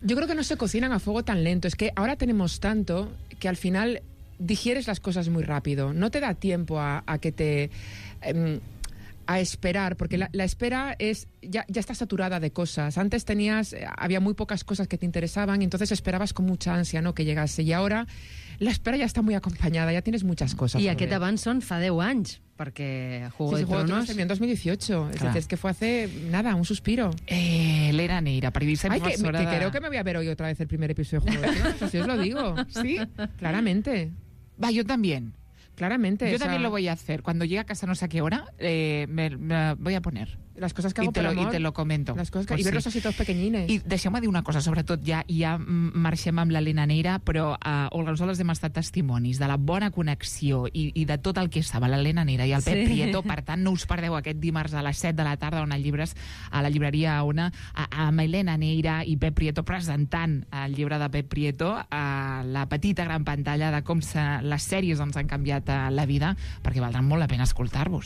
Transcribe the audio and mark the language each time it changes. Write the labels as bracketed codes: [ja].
[es] Yo creo que no se cocinan a fuego tan lento. Es que ahora tenemos tanto que al final digieres las cosas muy rápido. No te da tiempo a que te... a esperar, porque la espera es ya está saturada de cosas. Antes había muy pocas cosas que te interesaban y entonces esperabas con mucha ansia, ¿no?, que llegase. Y ahora la espera ya está muy acompañada, ya tienes muchas cosas. [ca] I aquest abans són fa 10 anys, perquè Juego de Tronos... [es] Sí, en 2018. Clar. Es decir, es que fue hace, nada, un suspiro. Elena Neira, periodista invasora... Que creo que me voy a ver hoy otra vez el primer episodio de Juego de Tronos, así os lo digo. Sí, claramente. Va, yo también. Claramente. Yo también lo voy a hacer. Cuando llegue a casa, no sé a qué hora, me voy a poner. Las cosas que hago por amor. I te lo comento. Las cosas que... Pues I veros sí. Así todos pequeñines. [ca] I deixeu-me dir una cosa, sobretot, ja marxem amb l'Helena Neira, però nosaltres hem estat testimonis de la bona connexió i de tot el que estava l'Helena Neira i el Pep Prieto. Per tant, no us perdeu aquest dimarts a les 7 de la tarda on hi ha llibres a la llibreria Ona amb Helena Neira i Pep Prieto presentant el llibre de Pep Prieto a la petita gran pantalla de com les sèries ens han canviat la vida, perquè valdrà molt la pena escoltar-vos.